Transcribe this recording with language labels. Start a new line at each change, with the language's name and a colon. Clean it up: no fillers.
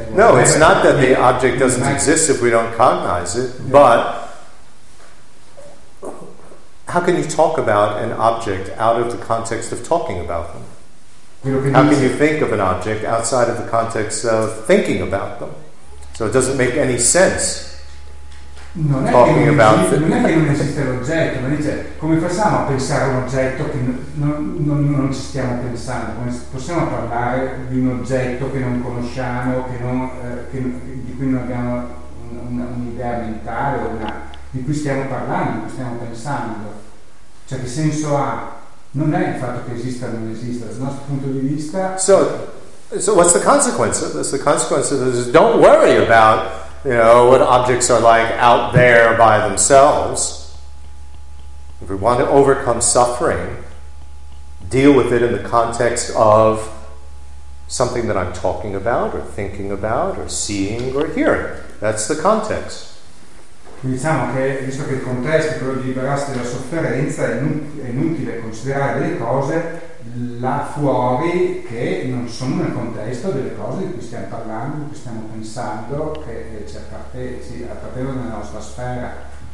English: No, it's not that the object doesn't exist if we don't cognize it, but how can you talk about an object out of the context of talking about them? How can you think of an object outside of the context of thinking about them? So it doesn't make any sense
Italian: non
English: talking
Italian: è che
English: about it.
Italian: Non è che non esiste l'oggetto, ma dice, come facciamo a pensare un oggetto che non ci stiamo pensando? Come possiamo parlare di un oggetto che non conosciamo, di cui non abbiamo un'idea mentale o una... di cui stiamo parlando, di cui stiamo pensando, cioè che senso ha? Non è il fatto che esista o non esista, dal nostro punto di vista.
English: So what's the consequence of this? The consequence of this is don't worry about, you know, what objects are like out there by themselves. If we want to overcome suffering, deal with it in the context of something that I'm talking about or thinking about or seeing or hearing. That's the context.
Italian: Quindi diciamo che, visto che il contesto è quello di liberarsi dalla sofferenza, è inutile considerare delle cose là fuori che non sono nel contesto delle cose di cui stiamo parlando, di cui stiamo pensando, che ci appartengono nella nostra sfera.